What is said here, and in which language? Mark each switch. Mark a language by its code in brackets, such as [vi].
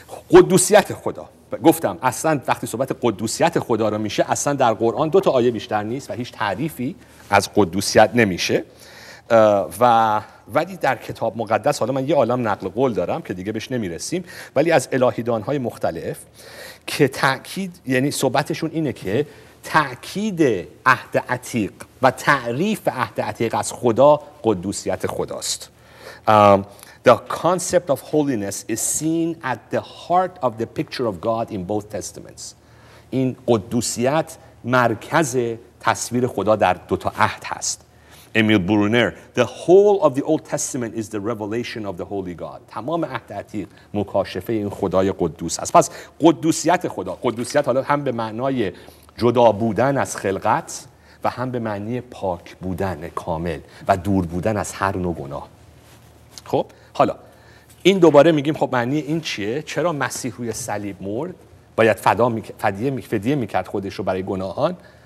[fa] قدوسیت خدا، گفتم اصلا وقتی صحبت قدوسیت خدا را میشه اصلا در قرآن دو تا آیه بیشتر نیست و هیچ تعریفی از قدوسیت نمیشه، و ولی در کتاب مقدس حالا من یه عالم نقل قول دارم که دیگه بهش نمیرسیم، ولی از الهیدانهای مختلف که تأکید، یعنی صحبتشون اینه که تأکید عهد عتیق و تعریف عهد عتیق از خدا قدوسیت خداست. [en] The concept of holiness is seen at the heart of the picture of God in both testaments. [fa] این قدوسیت مرکز تصویر خدا در دو تا عهد هست. [en] Emil Brunner: The whole of the Old Testament is the revelation of the Holy God. [fa] تمام عهد عتیق مکاشفه این خدای قدوس است. پس قدوسیت خدا، قدوسیت حالا هم به معنای جدا بودن از خلقت و هم به معنی پاک بودن کامل و دور بودن از هر نوع گناه. خب حالا این دوباره میگیم خب معنی این چیه؟ چرا مسیح روی صلیب مرد؟ باید فدیه میکرد خودش رو برای گناهان.